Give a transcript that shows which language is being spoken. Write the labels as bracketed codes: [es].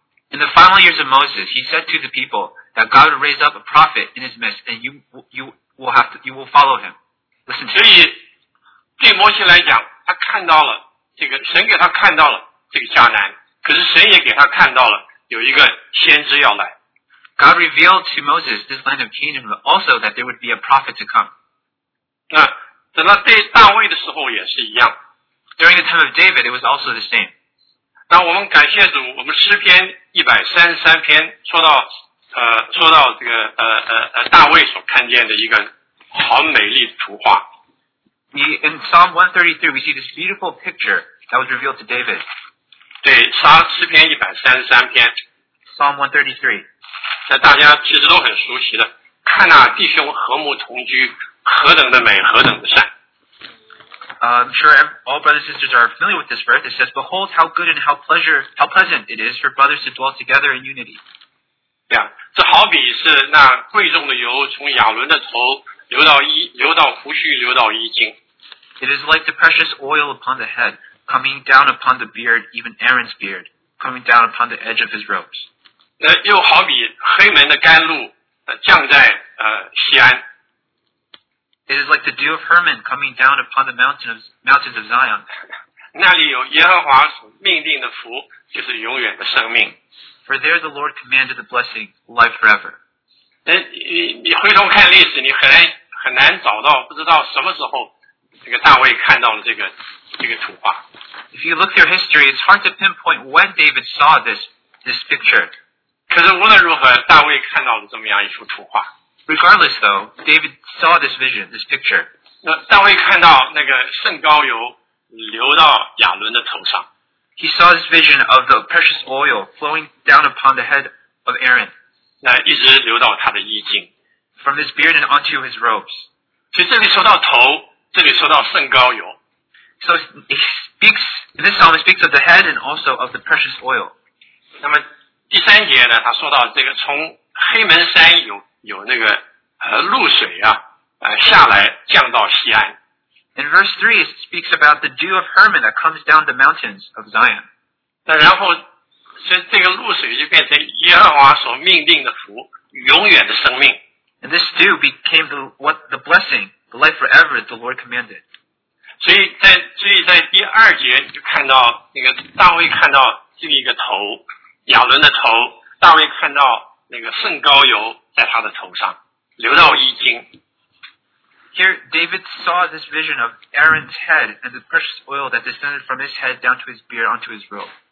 [en] In the final years of Moses, he said to the people that God would raise up a prophet in his midst, and you will follow him. Listen to him. [zh] 所以对摩西来讲，他看到了这个神给他看到了这个迦南，可是神也给他看到了有一个先知要来。 [en] God revealed to Moses this land of Canaan, but also that there would be a prophet to come. [zh] 那等到对大卫的时候也是一样。 [en] During the time of David, it was also the same. [zh] 那我们感谢主，我们诗篇133篇说到这个大卫所看见的一个好美丽的图画。 [en] In Psalm 133, we see this beautiful picture that was revealed to David. [zh] 对，诗篇133篇。 [en] Psalm 133. [zh] 那大家其实都很熟悉的，看啊，弟兄和睦同居，何等的美，何等的善。 [en] I'm sure all brothers and sisters are familiar with this verse. It says, Behold how good and how pleasant it is for brothers to dwell together in unity. [zh] Yeah, 这好比是那贵重的油从亚伦的头流到胡须流到衣襟。 [en] It is like the precious oil upon the head, coming down upon the beard, even Aaron's beard, coming down upon the edge of his robes. [zh] 那又好比黑门的甘露降在西安。 [en] It is like the dew of Hermon coming down upon the mountains of Zion. [zh] 那里有耶和华所命定的福，就是永远的生命。 [en] For there the Lord commanded the blessing, life forever. [zh] 你回头看历史，你很难找到，不知道什么时候这个大卫看到了这个图画。 [en] If you look through history, it's hard to pinpoint when David saw this picture. [zh] 可是无论如何，大卫看到了这么样一幅图画。 [en] Regardless, though, David saw this vision, this picture. [zh] 那大卫看到那个圣膏油流到亚伦的头上。 [en] He saw this vision of the precious oil flowing down upon the head of Aaron. [zh] 那一直流到他的衣襟。 [en] From his beard and onto his robes. [zh] 所以这里说到头，这里说到圣膏油。 [en] So he speaks, in this psalm, he speaks of the head and also of the precious oil. [zh] 那么第三节呢，他说到这个从黑门山有那个露水啊，下来降到西安。 [en] In verse 3, it speaks about the dew of Hermon that comes down the mountains of Zion. [zh] 然后这个露水就变成耶和华所命定的福，永远的生命。 [en] And this dew became the blessing, the life forever the Lord commanded. [zh] 所以在第二节你就看到那个大卫看到这个头，亚伦的头，大卫看到那个圣膏油在他的头上，流到衣襟。 [en] Here, David saw this vision of Aaron's head and the precious oil that descended from his head down to his beard onto his robe.